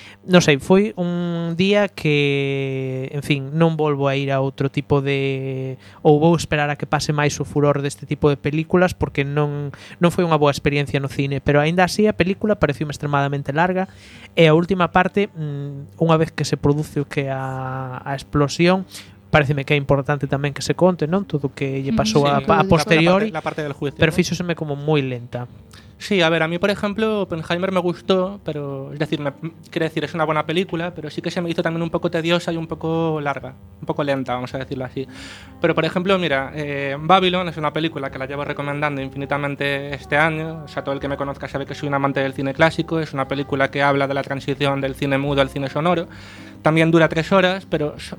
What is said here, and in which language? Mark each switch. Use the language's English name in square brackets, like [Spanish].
[Galician] Non sei, foi un día que, en fin, non volvo a ir a outro tipo de... ou vou esperar a que pase máis o furor deste tipo de películas porque non foi unha boa experiencia no cine. Pero aínda así, a película pareciume extremadamente larga e a última parte, unha vez que se produce o que a explosión, pareceme que é importante tamén que se conte, non? Todo o que lle pasou a posteriori. [Spanish] La parte del juicio. [Galician] Pero fíxoseme como moi lenta. [Spanish] Sí, a ver, a mí, por ejemplo, Oppenheimer me gustó, pero, es decir, quiero decir, es una buena película, pero sí que se me hizo también un poco tediosa y un poco larga, un poco lenta, vamos a decirlo así. Pero, por ejemplo, mira, Babylon es una película que la llevo recomendando infinitamente este año, o sea, todo el que me conozca sabe que soy un amante del cine clásico, es una película que habla de la transición del cine mudo al cine sonoro, también dura 3 horas, pero